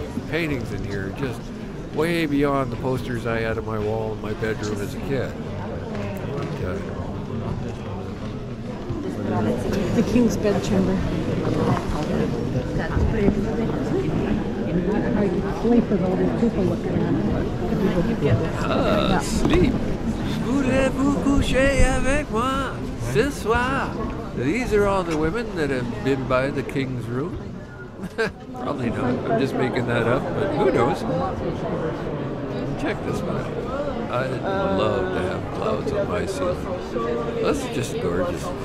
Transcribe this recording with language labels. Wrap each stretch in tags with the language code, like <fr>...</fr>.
<en>Paintings in here, just way beyond the posters I had on my wall in my bedroom as a kid. The King's Bedchamber. That's pretty good. How you sleep with all these people looking at it. Sleep.</en> <fr>Voulez-vous coucher avec moi ce soir?</fr> <en>These are all the women that have been by the King's room. Probably not. I'm just making that up, but who knows? Check this one out. I love to have clouds on my ceiling. That's just gorgeous.</en>